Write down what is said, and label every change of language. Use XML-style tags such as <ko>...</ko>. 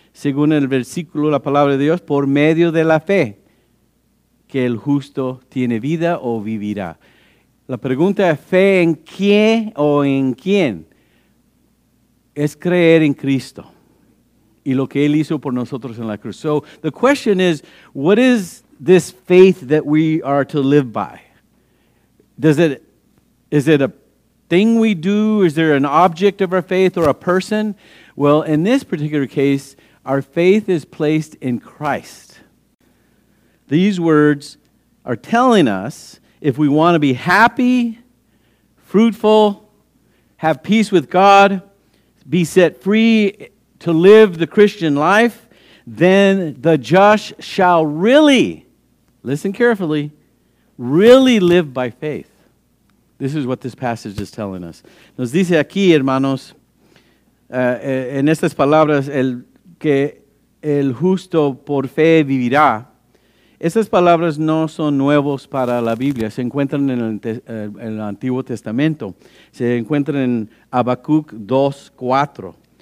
<es>Según el versículo, la palabra de Dios, por medio de la fe, que el justo tiene vida o vivirá. La pregunta es, ¿fe en qué o en quién? Es creer en Cristo y lo que Él hizo por nosotros en la cruz.</es> <en>So, the question is, what is this faith that we are to live by? Is it a thing we do? Is there an object of our faith or a person? Well, in this particular case, our faith is placed in Christ. These words are telling us if we want to be happy, fruitful, have peace with God, be set free to live the Christian life, then the just shall really, listen carefully, really live by faith. This is what this passage is telling us.</en> <es>Nos dice aquí, hermanos, en estas palabras, que el justo por fe vivirá. Esas palabras no son nuevas para la Biblia. Se encuentran en el Antiguo Testamento. Se encuentran en Habacuc 2:4.</es>